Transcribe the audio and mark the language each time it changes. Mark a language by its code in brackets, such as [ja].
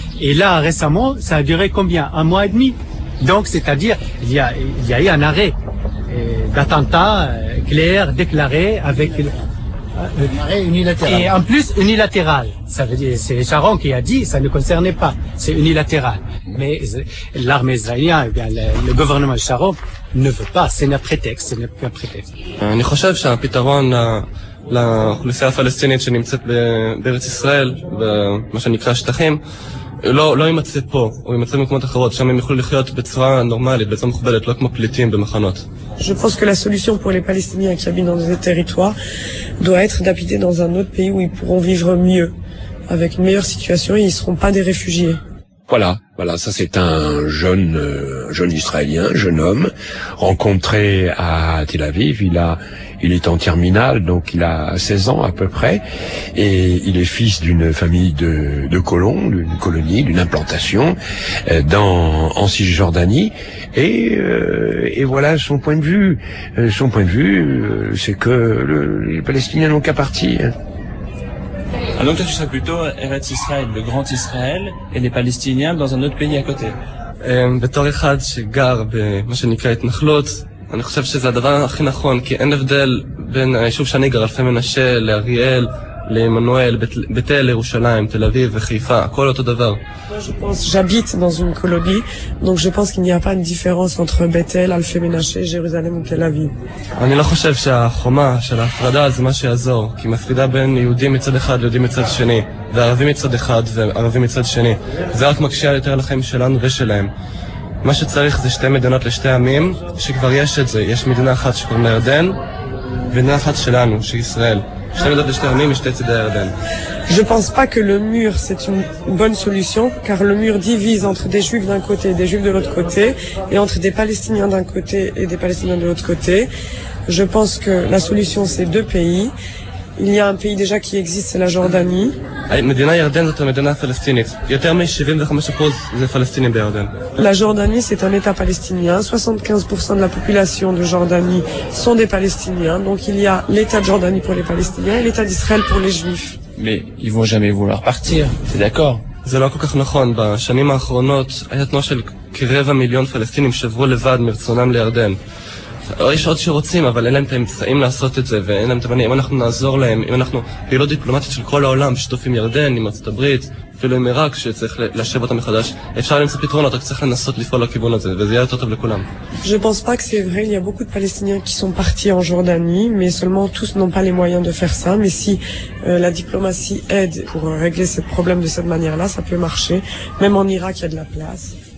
[fr] Et là, récemment, ça a duré combien? 1 mois et demi. Donc, c'est-à-dire, il y a eu un arrêt d'attentats clair, déclaré, avec... Un arrêt unilatéral. Et en plus, unilatéral. Ça veut dire, c'est Sharon qui a dit, ça ne concernait pas. C'est unilatéral. Mais l'armée israélienne, eh bien, le gouvernement Sharon ne veut pas. C'est un prétexte. Ce n'est qu'un prétexte. Je pense que c'est un pétaron, la palestinienne qui est dans [he] Israël, dans ce qui est dans לא, לא ימצא פה, הוא ימצא במקומות אחרות, שם הם יוכלו לחיות בצורה נורמלית, בצורה מכובדת, לא כמו פליטים במחנות. [fr] Je pense que la solution pour les Palestiniens qui habitent dans ces territoires doit être d'habiter dans un autre pays où ils pourront vivre mieux, avec une meilleure situation, et ils ne seront pas des réfugiés. Voilà, voilà, ça c'est un jeune Israélien, jeune homme, rencontré à Tel Aviv. Il est en terminale, donc il a 16 ans à peu près, et il est fils d'une famille de colons, d'une colonie, d'une implantation en Cisjordanie. Et voilà son point de vue. Son point de vue, c'est que les Palestiniens n'ont qu'à partir. Ah, donc toi tu serais plutôt Eretz Israël, le grand Israël, et les Palestiniens dans un autre pays à côté. [he] בתור אחד שגר במה שנקרא התנחלות, אני חושב שזה הדבר הכי נכון, כי אין הבדל בין היישוב שאני גר, אלפי מנשה, לאריאל, לאמנואל, בתל, ירושלים, תל אביב וחיפה, הכל אותו דבר. [fr] J'habite dans une colonie, donc je pense qu'il n'y a pas de différence entre בתל, אלפי מנשה, ירושלים ותל אביב. [he] אני לא חושב שהחומה של ההפרדה זה מה שיעזור, כי מפרידה בין יהודים מצד אחד ליהודים מצד שני, וערבים מצד אחד וערבים מצד שני. זה רק מקשה יותר לחיים שלנו ושלהם. מה שצריך זה שתי מדינות לשתי עמים, שכבר יש את זה. יש מדינה אחת שקוראים לירדן, ומדינה אחת שלנו, שישראל. שתי מדינות לשתי עמים ושתי צידי הירדן. [fr] Je pense pas que le mur c'est une bonne solution, car le mur divise entre des juifs d'un côté et des juifs de l'autre côté, et entre des palestiniens d'un côté et des palestiniens de l'autre côté. Je pense que la solution c'est deux pays. Il y a un pays déjà qui existe, c'est la Jordanie. [he] מדינה ירדן זאת המדינה הפלסטינית. יותר מ-75% זה פלסטינים בירדן. [fr] La Jordanie, c'est un état palestinien. 75% de la population de Jordanie sont des palestiniens. Donc il y a l'état de Jordanie pour les palestiniens et l'état d'Israël pour les juifs. Mais ils vont jamais vouloir partir, c'est d'accord. [he] זה לא כל כך נכון. בשנים האחרונות היה תנוע של כרבע מיליון פלסטינים שעברו לבד מרצונם לירדן. יש עוד שרוצים, אבל אין להם את האמצעים לעשות את זה, ואין להם את המנים. אם אנחנו נעזור להם, אם אנחנו פעילות דיפלומטית של כל העולם, שיתוף עם ירדן, עם ארצות הברית, אפילו עם עיראק, שצריך לשבת אותם מחדש, אפשר למצוא פתרונות, רק צריך לנסות לפעול לכיוון הזה, וזה יהיה יותר טוב לכולם. [fr] Je pense pas que c'est vrai, il y a beaucoup de Palestiniens qui sont partis en Jordanie, mais seulement tous n'ont pas les moyens de faire ça, mais si la diplomatie aide pour régler ce problème de cette manière-là, ça peut marcher. Même en Irak, il y a de la place.